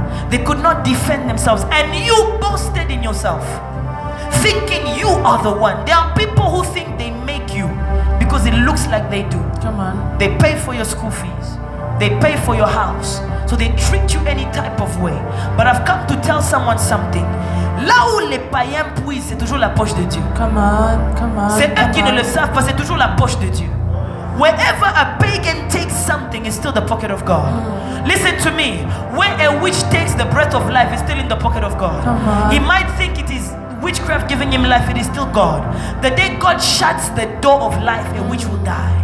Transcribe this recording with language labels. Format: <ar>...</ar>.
<en>They could not defend themselves. And you boasted in yourself, thinking you are the one. There are people who think they make you because it looks like they do. Come on. They pay for your school fees. They pay for your house. So they treat you any type of way. But I've come to tell someone something.</en> <fr>Là où les païens puissent, c'est toujours la poche de Dieu.</fr> <en>Come on, come on.</en> <fr>C'est eux qui ne le savent pas, c'est toujours la poche de Dieu.</fr> <en>Wherever a pagan takes something, it's still the pocket of God. Listen to me. Where a witch takes the breath of life, it's still in the pocket of God. Come on. He might think it is witchcraft giving him life, it is still God. The day God shuts the door of life, a witch will die.</en>